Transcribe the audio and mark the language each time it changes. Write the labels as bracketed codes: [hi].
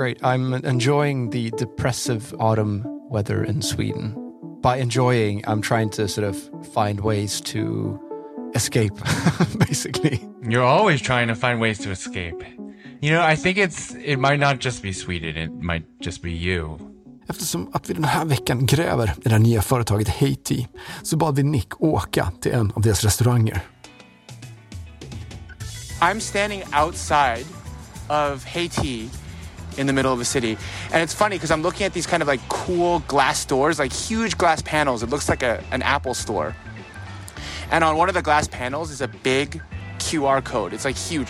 [en] I'm enjoying the depressive autumn weather in Sweden. By enjoying, I'm trying to sort of find ways to escape, basically. You're always trying to find ways to escape. You know, I think it might not just be Sweden, it might just be you. [sv] Eftersom att vi den här veckan gräver i det nya företaget Heiti, så bad vi Nick åka till en av deras restauranger. [en] I'm standing outside of Heiti in the middle of a city. And it's funny because I'm looking at these kind of like cool glass doors, like huge glass panels. It looks like an Apple store. And on one of the glass panels is a big QR code. It's like huge.